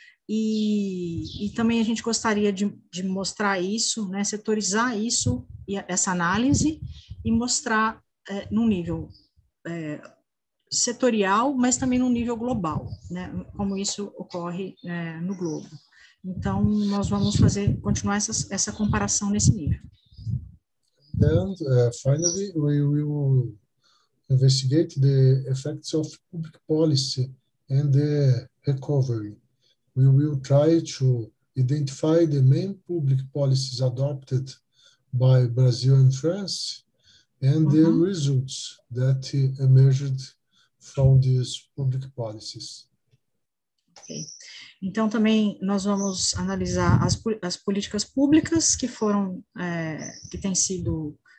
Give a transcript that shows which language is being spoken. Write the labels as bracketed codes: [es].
[pt] E também a gente gostaria de mostrar isso, né, setorizar isso, essa análise, e mostrar num nível setorial, mas também num nível global, né, como isso ocorre no globo. Então, nós vamos continuar essa comparação nesse nível. [en] And finally, we will investigate the effects of public policy and the recovery. We will try to identify the main public policies adopted by Brazil and France and the results that emerged from these public policies. [pt] Então, também nós vamos analisar as políticas públicas que foram, que têm sido